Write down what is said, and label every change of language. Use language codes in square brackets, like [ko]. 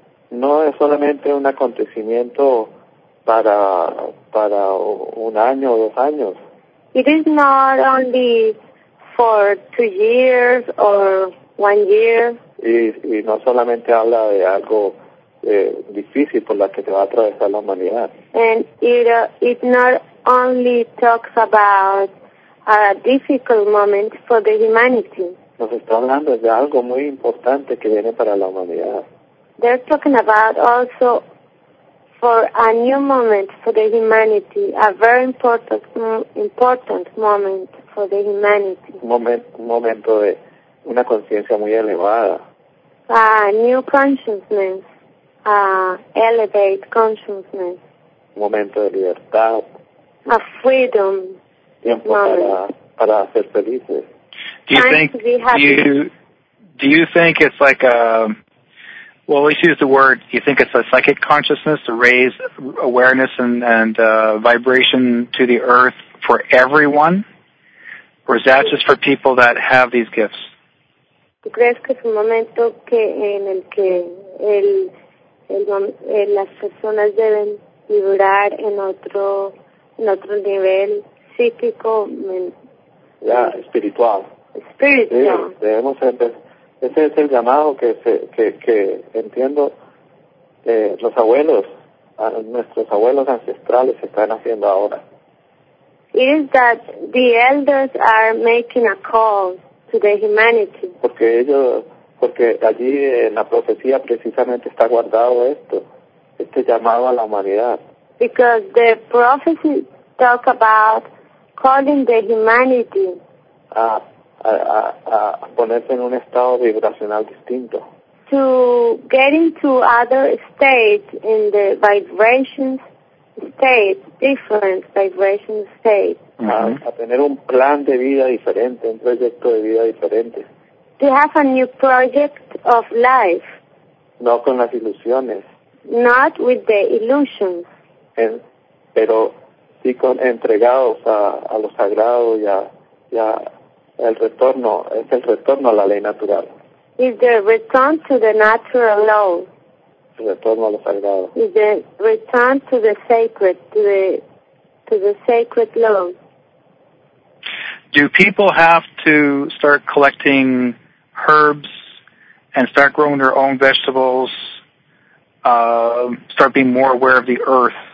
[es] No es solamente un acontecimiento para un año o dos años. [en] It is not only for 2 years or 1 year. [es] Y no solamente habla de algo difícil por la que te va a atravesar la humanidad. [en] And it not only talks about a difficult moment for the humanity. [es] Nos está hablando de algo muy importante que viene para la humanidad. [en] they're talking about also for a new moment for the humanity, a very important moment for the humanity. [es] Momento de una conciencia muy elevada. [en] A new consciousness, a elevate consciousness. [es] Momento de libertad. [en] A freedom. [es] Tiempo para ser felices. [en] Do you think it's like a, well, let's use the word, do you think it's a psychic consciousness to raise awareness and vibration to the earth for everyone? Or is that just for people that have these gifts? [es] ¿Tú crees que es un momento que en el que las personas deben vibrar en otro nivel psíquico? Espiritual. Espiritual. Sí, debemos empezar. Ese es el llamado que entiendo los abuelos, nuestros abuelos ancestrales están haciendo ahora. [en] Is that the elders are making a call to the humanity? [es] Porque allí en la profecía precisamente está guardado esto, este llamado a la humanidad. [en] Because the prophecy talk about calling the humanity. [es] A ponerse en un estado vibracional distinto. [en] To get into other states in the vibrations state, different vibration state. [es] A tener un plan de vida diferente, un proyecto de vida diferente. [en] To have a new project of life. [es] No con las ilusiones. [en] Not with the illusions. [es] Pero sí con entregados a lo sagrado y a el retorno, es el retorno a la ley natural. [en] Is the return to the natural law. [es] Retorno a lo sagrado. [en] Is the return to the sacred, to the sacred law. Do people have to start collecting herbs and start growing their own vegetables, start being more aware of the earth?